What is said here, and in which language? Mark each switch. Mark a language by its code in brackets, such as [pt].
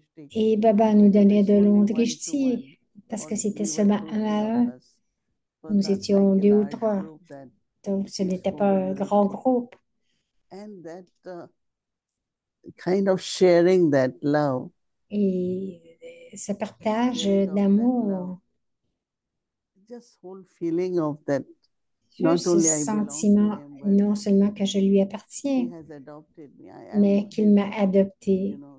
[fr] Et Baba nous donnait de longs drishti, parce que c'était seulement un à un. Nous étions deux ou trois. Donc, ce n'était pas un grand groupe. [en] And that kind of sharing that love. [fr] Et ce partage d'amour. [en] Just whole feeling of that. [fr] Juste ce sentiment, non seulement que je lui appartiens, mais qu'il m'a adopté.